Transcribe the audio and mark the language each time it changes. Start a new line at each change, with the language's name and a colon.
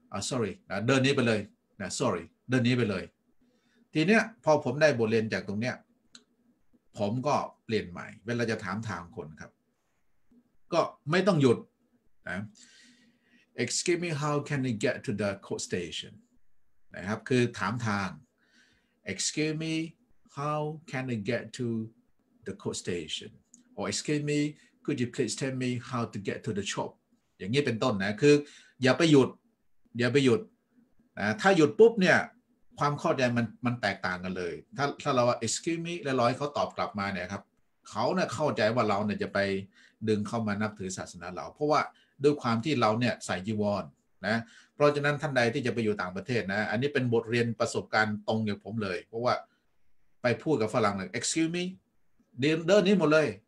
Thai: sorry นะเดินนี้ไปเลยนะ sorry เดินนี้ไปเลยทีเนี้ยพอผมได้บทเรียนจากตรงเนี้ยผมก็เปลี่ยนใหม่เวลาจะถามทางคนครับก็ไม่ต้องหยุดนะ
English: Excuse me, how can I get to the coast station?
Thai: นะครับคือถามทาง
English: Excuse me, how can I get to the coast station? Or excuse me, could you please tell me how to get to the shop?
Thai: อย่างนี้เป็นต้นนะคืออย่าไปหยุดอย่าไปหยุดนะถ้าหยุดปุ๊บเนี่ยความเข้าใจมันแตกต่างกันเลยถ้าเราว่า excuse me แล้วรอให้เขาตอบกลับมาเนี่ยครับเขาเนี่ยเข้าใจว่าเราเนี่ยจะไปดึงเข้ามานับถือศาสนาเราเพราะว่าด้วยความที่เราเนี่ยใส่จีวรนะเพราะฉะนั้นท่านใดที่จะไปอยู่ต่างประเทศนะอันนี้เป็นบทเรียนประสบการณ์ตรงกับผมเลยเพราะว่าไปพูดกับฝรั่งเลย excuse me เดินนี้หมดเลย